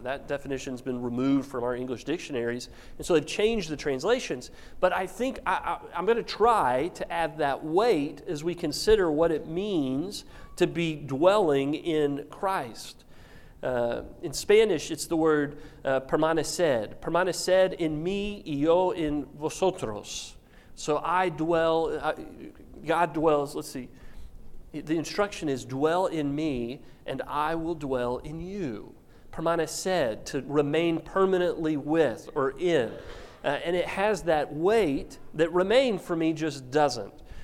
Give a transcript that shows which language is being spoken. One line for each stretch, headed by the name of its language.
English: That definition's been removed from our English dictionaries, and so they've changed the translations. But I think I'm going to try to add that weight as we consider what it means to be dwelling in Christ. In Spanish, it's the word permaneced.
Spanish: Permaneced en mí y yo en vosotros.
English: So I dwell, God dwells, let's see. The instruction is dwell in me and I will dwell in you. Permaneced, to remain permanently with or in. And it has that weight that remain for me just doesn't.